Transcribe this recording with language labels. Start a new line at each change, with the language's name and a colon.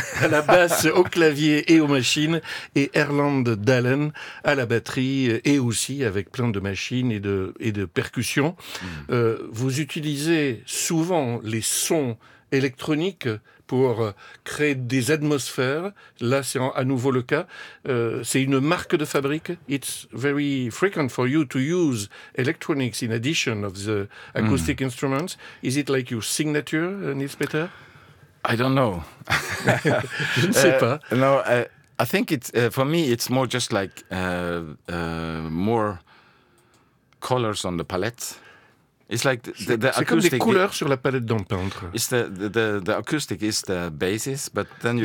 French: À la basse, au clavier et aux machines. Et Erland Dahlen à la batterie et aussi avec plein de machines et de percussions. Vous utilisez souvent les sons électroniques pour créer des atmosphères. Là, c'est à nouveau le cas. C'est une marque de fabrique.
English: It's very frequent for you to use electronics in addition of the acoustic instruments. Is it like your signature, Niels-Peter? I don't know.
French: Je ne sais pas.
English: No, I think it's for me. It's more just like more colors on the palette. It's like the
French: c'est acoustic, comme des couleurs sur la palette d'un peintre.
English: It's the acoustic is the basis, but then you